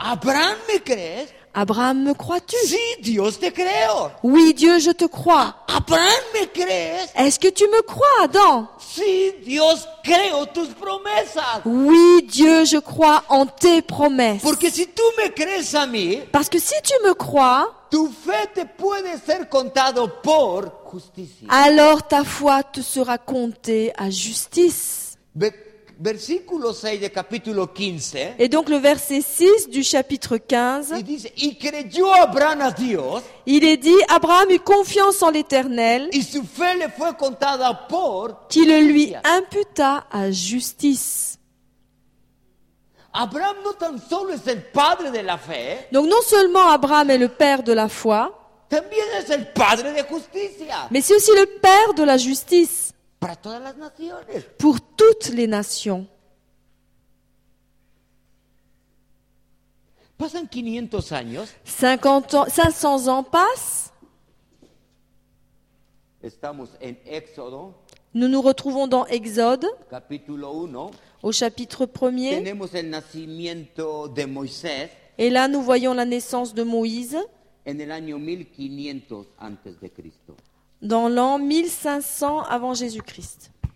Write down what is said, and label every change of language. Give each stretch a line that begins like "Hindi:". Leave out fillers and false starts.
Spanish: Abraham, me crees?
French: Abraham, me crois-tu?
Spanish: Si, Dios te creo.
French: Oui, Dieu, je te crois.
Spanish: Abraham, me crees?
French: Est-ce que tu me crois, Adam?
Spanish: Si, Dios creo tus promesas.
French: Oui, Dieu, je crois en tes promesses.
Spanish: Porque si tú me crees a mí,
French: parce que si tu me crois,
Spanish: tu fe te puede ser contado por justicia.
French: Alors ta foi te sera comptée à justice.
Spanish: Versículo 6 del capítulo 15.
French: Et donc le verset 6 du chapitre 15. Il dit,
Spanish: y creyó Abraham a Dios.
French: Il est dit, Abraham eut confiance en l'Éternel.
Spanish: Y su fe le fue contada por.
French: Qui le lui imputa à justice.
Spanish: Abraham no tan solo es el padre de la fe.
French: Donc non seulement Abraham est le père de la foi.
Spanish: También es el padre de justicia.
French: Mais c'est aussi le père de la justice.
Spanish: Para todas las naciones.
French: Pour toutes les nations.
Spanish: Pasan 500 años.
French: 500 ans passent.
Spanish: Estamos en Éxodo.
French: Nous nous retrouvons dans Exode.
Spanish: Capítulo 1.
French: Au chapitre 1er.
Spanish: Tenemos el nacimiento de Moisés.
French: Et là nous voyons la naissance de Moïse.
Spanish: En el año 1500 antes de Cristo.
French: Dans l'an 1500 avant Jésus-Christ.